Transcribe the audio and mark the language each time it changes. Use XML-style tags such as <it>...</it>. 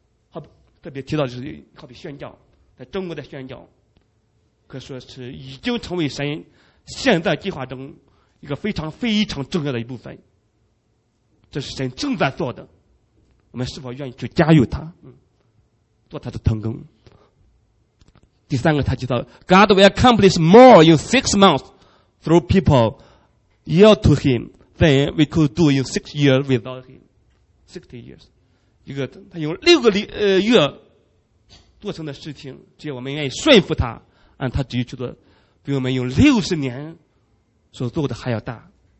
<zh>好，特别提到就是好比宣教，在中国的宣教可说是已经成为神现在计划中一个非常非常重要的一部分，这是神正在做的，我们是否愿意去加入他，做他的同工。第三个，他提到</zh> <en>God will accomplish more in 6 months through people yield to him than we could do in 6 years without him。 60 years，</en> <zh>一个他用6个月做成的事情，只要我们愿意顺服他，按他旨意去做，比我们用60年所做的还要大。</zh>